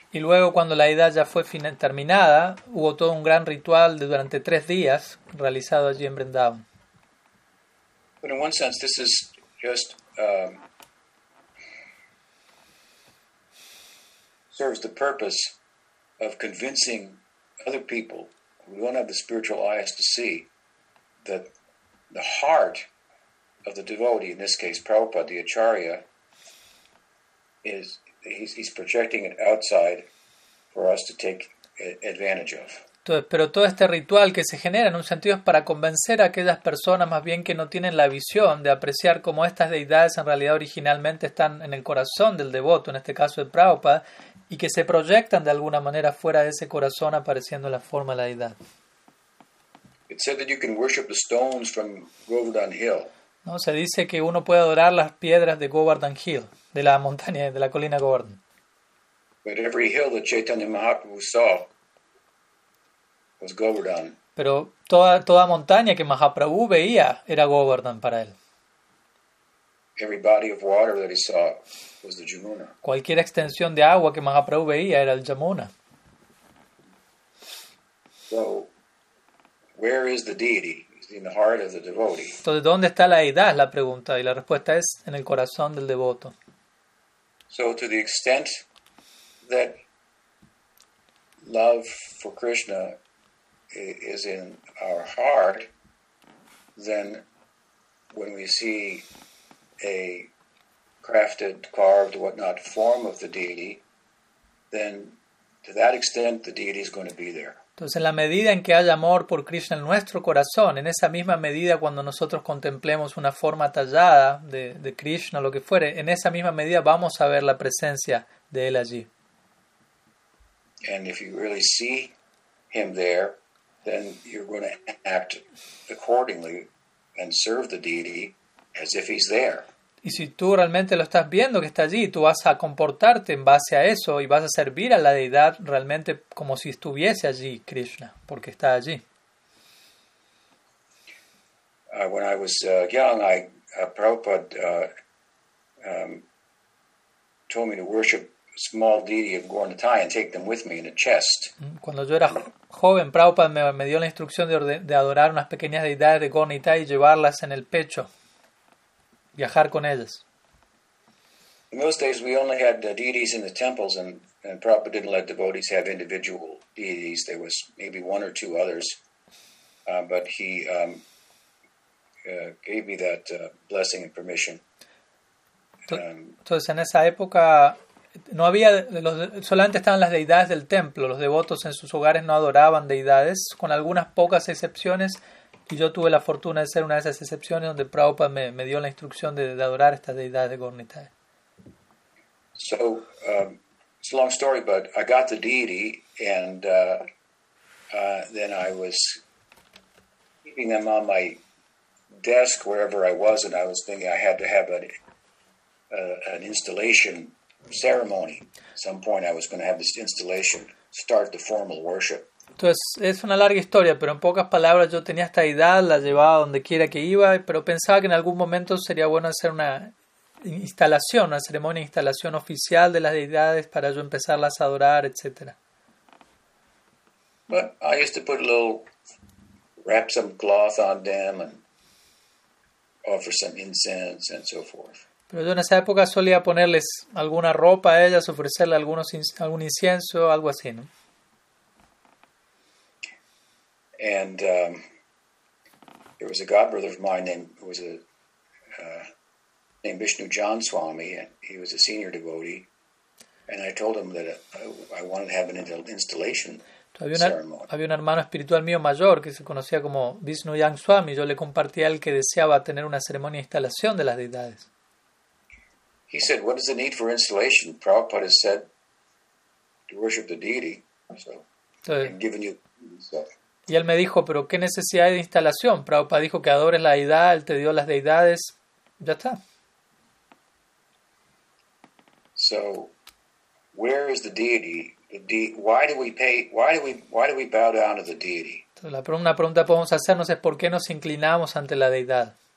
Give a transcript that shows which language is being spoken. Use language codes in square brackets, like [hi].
[es] Y luego cuando la edad ya fue terminada, hubo todo un gran ritual de durante 3 días realizado allí en Vrindavan. [en] But in one sense, this is just serves the purpose of convincing other people who don't have the spiritual eyes to see that the heart of the devotee, in this case Prabhupada, the Acharya, is he's projecting it outside for us to take advantage of. [es] Entonces, pero todo este ritual que se genera en un sentido es para convencer a aquellas personas más bien que no tienen la visión de apreciar cómo estas deidades en realidad originalmente están en el corazón del devoto, en este caso de Prabhupada, y que se proyectan de alguna manera fuera de ese corazón apareciendo la forma de la deidad. [en] It said that you can worship the stones from Govardhan Hill. [es] No, se dice que uno puede adorar las piedras de Govardhan Hill, de la montaña, de la colina Govardhan. [en] But every hill that Chaitanya Mahaprabhu saw was Govardhan. [es] Pero toda montaña que Mahaprabhu veía era Govardhan para él. [en] Every body of water that he saw was the Jamuna. [es] Cualquier extensión de agua que Mahaprabhu veía era el Jamuna. [en] So, where is the deity? Is in the heart of the devotee. [es] Entonces, ¿dónde está la deidad? La pregunta, y la respuesta es en el corazón del devoto. [en] So, to the extent that love for Krishna is in our heart, then when we see a crafted, carved, whatnot form of the deity, then to that extent the deity is going to be there. [es] Entonces, en la medida en que haya amor por Krishna en nuestro corazón, en esa misma medida cuando nosotros contemplemos una forma tallada de Krishna, lo que fuere, en esa misma medida vamos a ver la presencia de él allí. [en] And if you really see him there, then you're going to act accordingly and serve the deity as if he's there. [es] Y si tú realmente lo estás viendo que está allí, tú vas a comportarte en base a eso y vas a servir a la deidad realmente como si estuviese allí Krishna, porque está allí. [en] When I was young, Prabhupada told me to worship a small deity of Gornatai and take them with me in a chest. [es] Cuando yo era joven, Prabhupada me dio la instrucción de adorar unas pequeñas deidades de Gornatai y llevarlas en el pecho. Viajar con ellas. [en] In those days we only had deities in the temples and Prabhupada didn't let devotees have individual deities. There was maybe one or two others. But he gave me that blessing and permission. [es] Entonces en esa época no había, solamente estaban las deidades del templo. Los devotos en sus hogares no adoraban deidades, con algunas pocas excepciones. Y yo tuve la fortuna de ser una de esas excepciones donde Prabhupada me dio la instrucción de adorar estas deidades de Gornatai. [en] So, it's a long story, but I got the deity and then I was keeping them on my desk wherever I was, and I was thinking I had to have an installation ceremony. At some point I was going to have this installation start the formal worship. [es] Entonces, es una larga historia, pero en pocas palabras yo tenía esta deidad, la llevaba donde quiera que iba, pero pensaba que en algún momento sería bueno hacer una instalación, una ceremonia de instalación oficial de las deidades para yo empezarlas a adorar, etc. [en] But I used to put a little, wrap some cloth on them and offer some incense and so forth. [es] Pero yo en esa época solía ponerles alguna ropa a ellas, ofrecerle algún incienso, algo así, ¿no? [en] And there was a godbrother of mine named Vishnu John Swami, and he was a senior devotee. And I told him that I wanted to have an installation ceremony. [es] Había un hermano espiritual mío mayor que se conocía como Vishnu Yang Swami. Yo le compartí a él que deseaba tener una ceremonia de instalación de las deidades. [en] He said, "What is the need for installation? Prabhupada has said to worship the deity." So, entonces, I'm giving you. [es] Y él me dijo, "¿Pero qué necesidad hay de instalación? Prabhupada dijo que adores la deidad, él te dio las deidades, ya está." [en] So, where is the deity? Why do we bow down to the deity? [es] Entonces, la primera pregunta que podemos hacernos es ¿por qué nos inclinamos ante la deidad?